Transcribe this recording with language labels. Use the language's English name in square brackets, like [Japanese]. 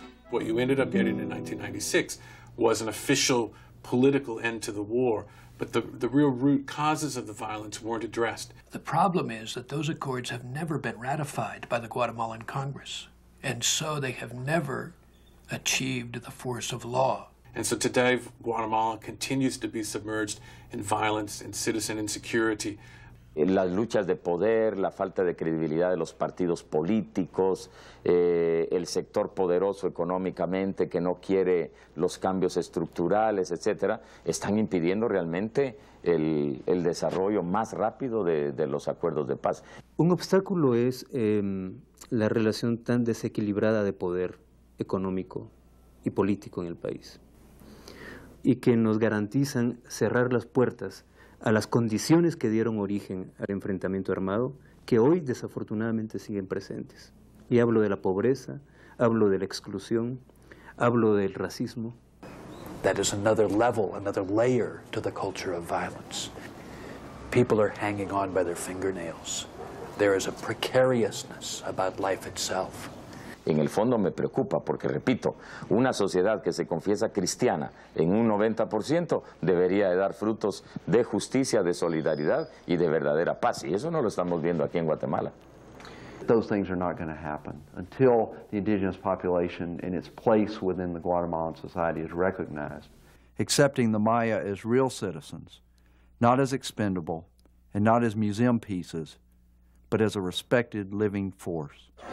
[English] What you ended up getting in 1996 was an official political end to the war, but the real root causes of the violence weren't addressed. The problem is that those accords have never been ratified by the Guatemalan Congress, and so they have never achieved the force of law. And so today, Guatemala continues to be submerged in violence and citizen insecurity. [Spanish] Las luchas de poder, la falta de credibilidad de los partidos políticos, el sector poderoso económicamente que no quiere los cambios estructurales, etcétera, están impidiendo realmente el desarrollo más rápido de los acuerdos de paz. Un obstáculo es la relación tan desequilibrada de poder económico y político en el país, y que nos garantizan cerrar las puertas a las condiciones que dieron origen al enfrentamiento armado, que hoy desafortunadamente siguen presentes. Y hablo de la pobreza, hablo de la exclusión, hablo del racismo. [English] That is another level, another layer to the culture of violence. People are hanging on by their fingernails. There is a precariousness about life itself. [Spanish] En el fondo me preocupa porque, repito, una sociedad que se confiesa cristiana en un 90% debería de dar frutos de justicia, de solidaridad y de verdadera paz. Y eso no lo estamos viendo aquí en Guatemala. [English] Those things are not going to happen until the indigenous population and its place within the Guatemalan society is recognized. Accepting the Maya as real citizens, not as expendable and not as museum pieces, but as a respected living force.